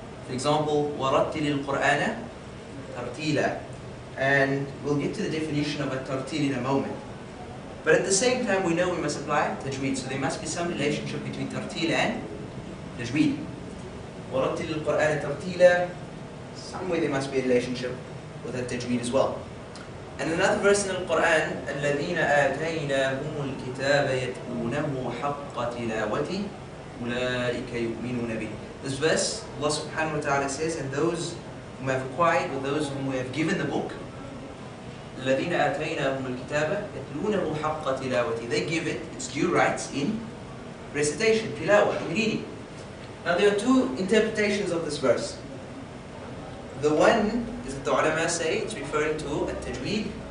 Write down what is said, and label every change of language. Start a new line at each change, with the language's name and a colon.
English: For example,
Arabic: وَرَتِّلِ الْقُرْآنَ تَرْتِيلًا.
English: And we'll get to the definition of a tartil in a moment. But at the same time, we know we must apply tajweed. So there must be some relationship between tartil and tajweed.
Arabic: وَرَتِّلِ الْقُرْآنَ تَرْتِيلًا.
English: Somewhere there must be a relationship with that tajweed as well. And another verse in the Qur'an,
Arabic: الَّذِينَ آتَيْنَاهُمُ الْكِتَابَ يَتْلُونَهُ حَقَّ تِلَاوَتِهِ أُولَٰئِكَ يُؤْمِنُونَ بِهِ.
English: This verse, Allah subhanahu wa ta'ala says, and those whom have acquired, or those whom we have given the book,
Arabic: الَّذِينَ آتَيْنَاهُمُ الْكِتَابَ يَتْلُونَهُ حَقَّ تِلَاوَتِهِ.
English: They give it its due rights in recitation, tilawah, in reading. Now there are two interpretations of this verse. The one is that the ulama say it's referring to al-tajweed.